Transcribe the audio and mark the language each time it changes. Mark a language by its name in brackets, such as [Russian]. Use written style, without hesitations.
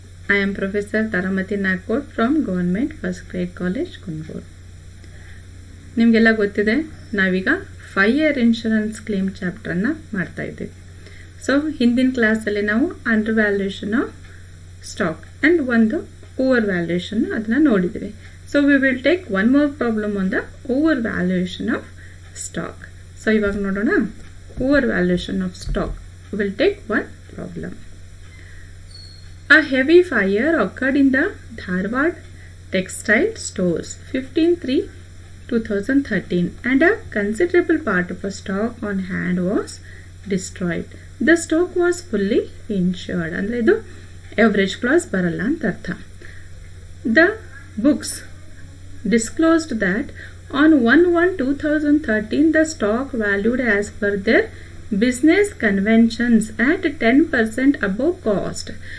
[English] I am Professor Taramati Nakod from Government First Grade College, Kundgol. [Kannada] ನಿಮಗೆಲ್ಲ ಗೊತ್ತಿದೆ ನಾವೀಗ fire insurance claim ಚಾಪ್ಟರನ್ನು ಮಾಡ್ತಾ ಇದ್ದೀವಿ. ಸೊ ಹಿಂದಿನ ಕ್ಲಾಸಲ್ಲಿ ನಾವು under valuation of stock and ಒಂದು ಓವರ್ ವ್ಯಾಲ್ಯೂಯೇಷನ್ ಅದನ್ನು ನೋಡಿದ್ವಿ. [English] So we will take one more problem on the over valuation of stock. So [Kannada] ಇವಾಗ ನೋಡೋಣ, [English] Over valuation of stock will take one problem. A heavy fire occurred in the Dharwad textile stores 15/3/2013 and a considerable part of a stock on hand was destroyed. The stock was fully insured. [Kannada] ಅಂದರೆ ಇದು average class ಬರಲ್ಲ ಅಂತ ಅರ್ಥ. [English] The books disclosed that on 1/1/2013 the stock valued as per their business conventions at 10% above cost.